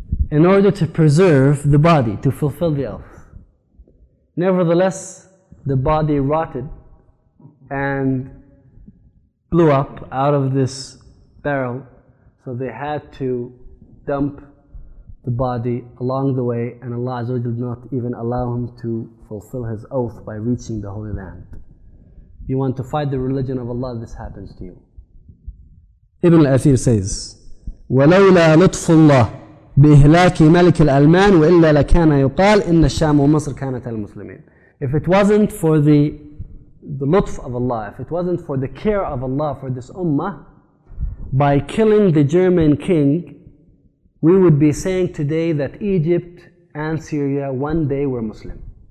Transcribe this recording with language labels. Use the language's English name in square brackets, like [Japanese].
[English] In order to preserve the body, to fulfill the oath. Nevertheless, the body rotted and blew up out of this barrel, so they had to dump the body along the way, and Allah Azza wa Jalla did not even allow him to fulfill his oath by reaching the Holy Land. You want to fight the religion of Allah, this happens to you. [Arabic] Ibn al-Athir says, وَلَوْلَا لُطْفُ اللَّهِ بِإِهْلَاكِ مَلِكِ الْأَلْمَانِ وَإِلَّا لَكَانَ يُقَالِ إِنَّ الشَّامُ وَمَصْرِ كَانَتَ الْمُسْلِمِينَ. [English] If it wasn't for the lutf of Allah, if it wasn't for the care of Allah for this ummah, by killing the German king, we would be saying today that Egypt and Syria one day were Muslim.